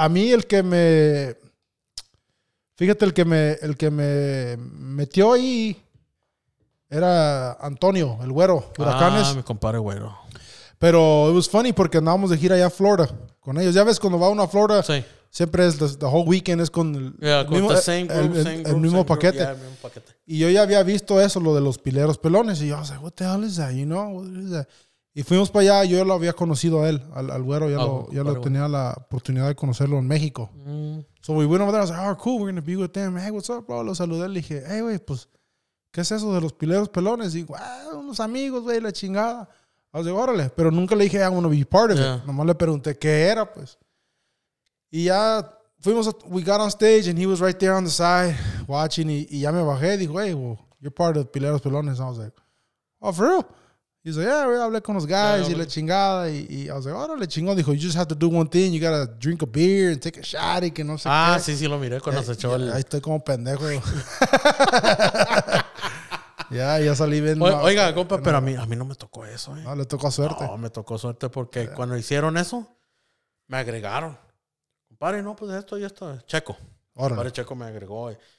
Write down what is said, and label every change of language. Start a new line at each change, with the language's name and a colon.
Spanish: A mí el que me metió ahí era Antonio, el güero, Huracanes. Ah, mi compadre güero. Pero
English: it was funny
Spanish: porque andábamos de gira allá a Florida con ellos. Ya ves, cuando va uno a Florida, sí, siempre es
English: the whole weekend,
Spanish: es con el mismo paquete. Y yo ya había visto eso, lo de los pileros pelones. Y yo,
English: I was like, what the hell is that? You know, what is that?
Spanish: Y fuimos para allá, yo ya lo había conocido a él, al güero, tenía la oportunidad de conocerlo en México. Mm.
English: So we went over there, I was like, oh, cool, we're going to be with them. Hey, what's up, bro?
Spanish: Lo saludé, le dije,
English: hey,
Spanish: güey, pues, ¿qué es eso de los pileros pelones? Y digo, unos amigos, güey, la chingada.
English: I was like,
Spanish: órale, pero nunca le dije,
English: I want to be part of it.
Spanish: Nomás le pregunté qué era, pues. Y ya fuimos,
English: we got on stage and he was right there on the side watching
Spanish: y ya me bajé. Dijo,
English: hey, well, you're part of the pileros pelones. I was like, oh, for real?
Spanish: Y dice,
English: yeah, we
Spanish: hablé con los guys y la chingada.
English: Y I was like,
Spanish: órale, chingón.
English: Dijo, you just have to do one thing. You gotta drink a beer and take a shot
Spanish: y que no sé qué. Ah, sí, lo miré cuando se echó. Ahí estoy como pendejo. Ya salí bien. Oiga, compa, pero a mí no me tocó eso, ¿eh? No, le tocó suerte. No, me tocó suerte porque cuando hicieron eso, me agregaron. Compadre, no, pues esto y esto. Checo. Compadre Checo me agregó.